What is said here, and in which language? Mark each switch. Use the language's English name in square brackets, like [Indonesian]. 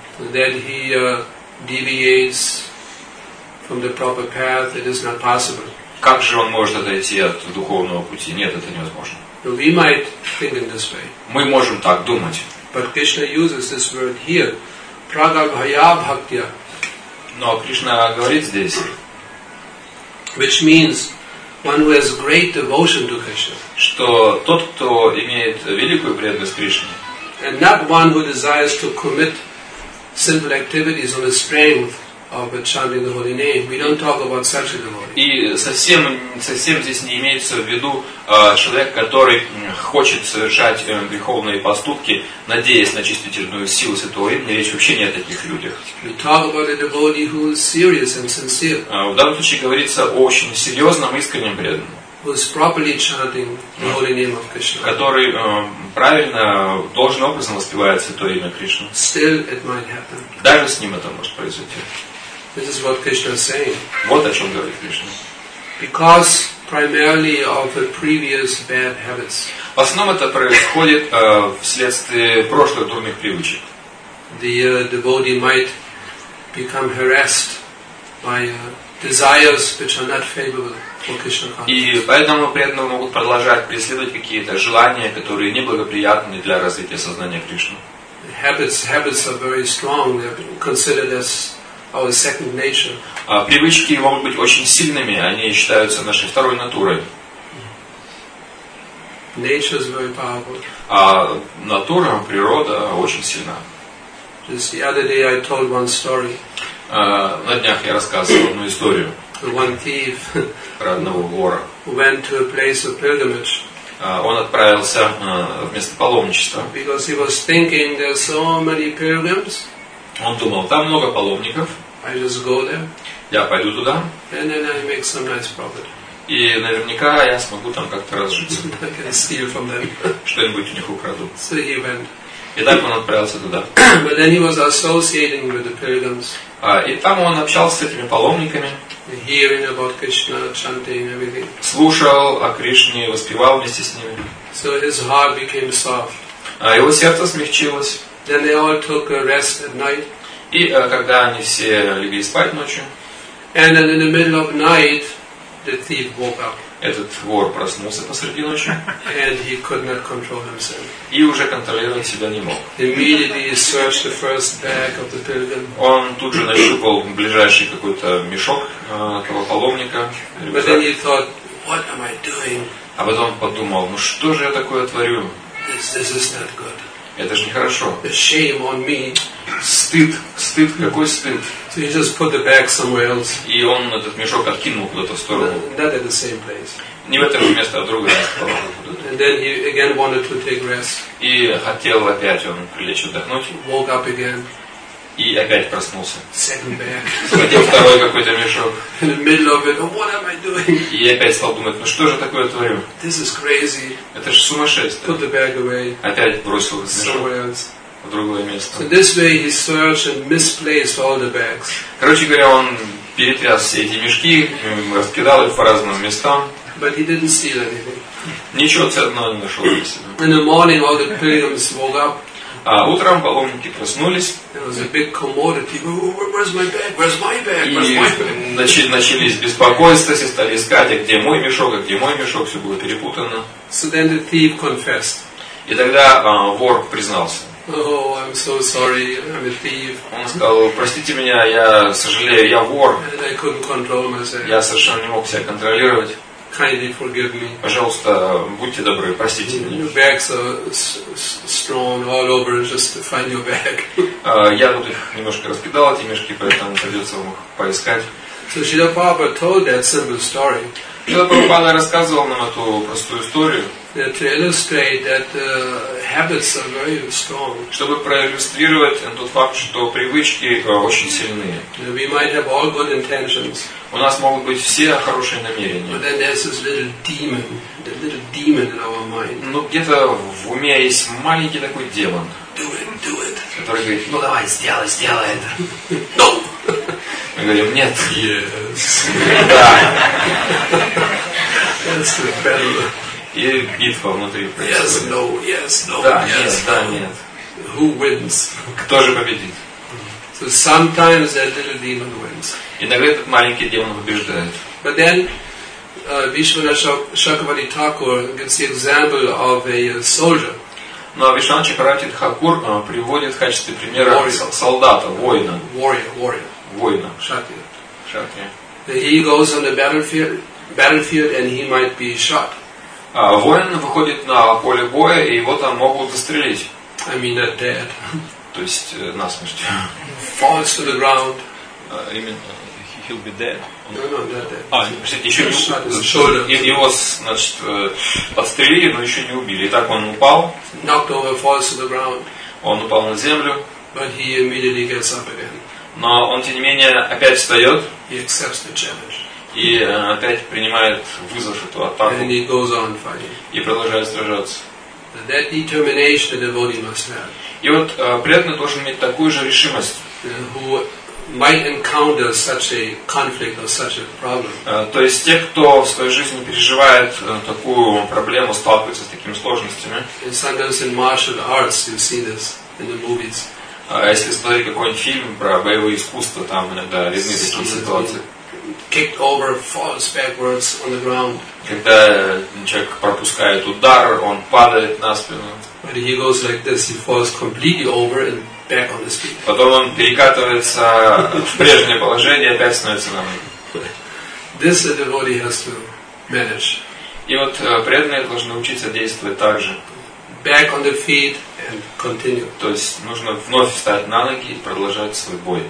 [English] Then he deviates from the proper path. It is not possible. [Russian] Как же он может отойти от духовного пути? Нет, это невозможно. [English] So we might think in this way. [Russian] Мы можем так думать. [English] But Krishna uses this word here, prāgarbhaya bhaktiya. [Russian] Но Кришна говорит здесь. [English] Which means one who has great devotion to Krishna. [Russian] Что тот, кто имеет великую преданность Кришне. [English] And not one who desires to commit simple activities on his strength. with chanting the holy name. We don't talk about searching the Lord. [Russian] И совсем здесь не имеется в виду человек, который хочет совершать греховные поступки, надеясь на чистительную силу святого имени. Речь вообще не о таких людях. [English] We talk about a devotee who is serious and sincere. [Russian] В данном случае говорится о очень серьезном, искреннем преданном. [English] Was properly chanting the holy name of Krishna. [Russian] Который правильно, должным образом воспевает святое имя Кришны. [English] Still, it might happen. [Russian] Даже с ним это может произойти. [English] This is what Krishna is saying. [Russian] Вот о чем говорит Кришна. [English] Because primarily of the previous bad habits. [Russian] В основном это происходит вследствие прошлых дурных привычек. [English] The devotee might become harassed by desires which are not favorable. [Russian] И поэтому преданные могут продолжать преследовать какие-то желания, которые неблагоприятны для развития сознания Кришны. [English] Habits are very strong. They are considered as our second nature. [Russian] Привычки могут быть очень сильными. Они считаются нашей второй натурой. [English] Nature is very powerful. [Russian] А натура, природа, очень сильна. [English] Just the other day I told one story. [Russian] На днях я рассказывал одну историю. [English] One thief went to a place of pilgrimage. [Russian] Он отправился в место паломничества. [English] Because he was thinking there are so many pilgrims. [Russian] Он думал, там много паломников. [English] I just go there. [Russian] Я пойду туда. [English] And then I make some nice profit. [Russian] И наверняка я смогу там как-то разжиться. [English] I can steal from them. [Russian] Что-нибудь у них украду. [English] So he went. [Russian] И так он отправился туда. [English] But then he was associating with the pilgrims. [Russian] И там он общался с этими паломниками. [English] Hearing about Krishna, chanting everything. [Russian] Слушал о Кришне, воспевал вместе с ними. [English] So his heart became soft. [Russian] Его сердце смягчилось. [English] Then they all took a rest at night. [Russian] И когда они все легли спать ночью. [English] And then in the middle of night, the thief woke up. [Russian] Этот вор проснулся посреди ночи. [English] And he could not control himself. [Russian] И уже контролировать себя не мог. [English] Immediately he searched the first bag of the pilgrim. [Russian] Он тут же нащупал ближайший какой-то мешок того паломника. [English] But then he thought, what am I doing? [Russian] А потом подумал, ну что же я такое творю? [English] This is not good. [Russian] Это же нехорошо. [English] Shame on me. [Russian] Стыд, какой стыд. [English] So he just put the bag somewhere else. [Russian] И он этот мешок откинул куда-то в сторону. [English] Not at the same place. [Russian] Не в это же место, а в другое место. [English] And then he again wanted to take rest. [Russian] И хотел опять он прилечь отдохнуть. [English] Woke up again. [Russian] И опять проснулся. [English] Second bag. [Russian] Схватил второй какой-то мешок. [English] In the middle of it, what am I doing? [Russian] И опять стал думать, ну что же такое творю? [English] This is crazy. [Russian] Это же сумасшествие. [English] Put the bag away. [Russian] Опять бросил этот мешок. [English] Somewhere else. [Russian] В другое место. [English] So this way he searched and misplaced all the bags. [Russian] Короче говоря, он перетряс все эти мешки, раскидал их по разным местам. [English] But he didn't steal anything. [Russian] Ничего ценного не нашел для себя. [English] In the morning all the pilgrims woke up. [Russian] А утром паломники проснулись. [English] There was a big commotion. Where's my bag? Where's my bag? Where's my bag? [Russian] И начались беспокойства, все стали искать, а где мой мешок, а где мой мешок, все было перепутано. [English] So then the thief confessed. [Russian] И тогда вор признался. [English] Oh, I'm so sorry. I'm a thief. [Russian] Он сказал: «Простите меня, я сожалею, я вор. [English] And I couldn't control myself. [Russian] Я совершенно не мог себя контролировать. [English] Kindly forgive me. [Russian] Пожалуйста, будьте добры, простите меня. [English] Your bags are strewn all over. Just to find your bag. [Russian] Я тут их немножко раскидал, эти мешки, поэтому придется вам их поискать. [English] So Srila Prabhupada told that simple story. [Russian] Шрила Прабхупада рассказывал нам эту простую историю. [English] To illustrate that habits are very strong. [Russian] Чтобы проиллюстрировать тот факт, что привычки очень сильные. [English] We might have all good intentions. [Russian] У нас могут быть все хорошие намерения. [English] But then there's this little demon, the little demon in our mind. [Russian] Но где-то в уме есть маленький такой демон. [English] Do it, do it. [Russian] Который говорит: ну давай, сделай это. [English] No. [Russian] Мы говорим: нет. [English] Yes. [Russian] Да. [English] That's the battle. [Russian] И битва внутри происходит. [English] Yes, no, yes, no, [Russian] да, [English] yes, [Russian] нет, да, нет. [English] Who wins? [Russian] Кто же победит? [English] So sometimes that little demon wins. [Russian] Иногда этот маленький демон побеждает. [English] But then Vishwanatha Chakravarti Thakur gives the example of a soldier. [Russian] Но Вишванатха Чакравати Тхакур приводит в качестве примера солдата, воина. [English] Warrior. [Russian] Воина. Кшатрия. [English] He goes on the battlefield and he might be shot. [Russian] Воин выходит на поле боя, и его там могут застрелить. [English] I mean, not dead. [Russian] То есть насмерть. [English] Falls to the ground. He'll be dead. [Russian] Его, значит, подстрелили, но еще не убили. И так он упал. [English] Knocked over, falls to the ground. [Russian] Он упал на землю. [English] But he immediately gets up again. [Russian] Но он, тем не менее, опять встает. [English] He accepts the challenge. [Russian] И опять принимает вызов эту атаку. [English] And he goes on fighting. [Russian] И продолжает сражаться. [English] That determination the devotee must have. [Russian] И вот преданный должен иметь такую же решимость. [English] Might encounter such a conflict or such a problem. [Russian] То есть те, кто в своей жизни переживает такую проблему, сталкивается с такими сложностями. [English] And sometimes in martial arts you see this in the movies. [Russian] Если смотреть какой-нибудь фильм про боевое искусство, там иногда видны такие ситуации. [English] Kicked over, falls backwards on the ground. [Russian] Когда человек пропускает удар, он падает на спину. [English] But he goes like this, he falls completely over and back on his feet. [Russian] Потом он перекатывается в прежнее положение, опять становится на ноги. [English] This the devotee has to manage. [Russian] И вот преданные должны учиться действовать так же. [English] Back on the feet and continue. [Russian] То есть нужно вновь встать на ноги и продолжать свой бой.